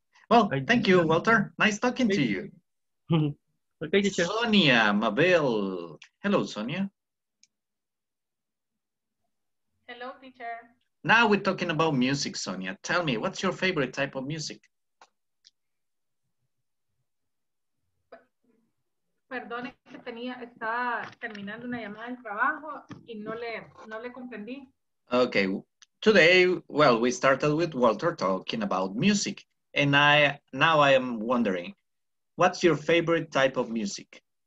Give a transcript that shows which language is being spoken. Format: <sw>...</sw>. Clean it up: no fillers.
<en>Well, thank you, Walter. Nice talking to you. Okay, teacher. Sonia Mabel. Hello, Sonia. Hello, teacher. Now we're talking about music, Sonia. Tell me, what's your favorite type of music?</en> <es>Perdone que tenía, estaba terminando una llamada del trabajo y no le comprendí.</es> <en>Okay. Today, well, we started with Walter talking about music. And I am wondering, what's your favorite type of music?</en>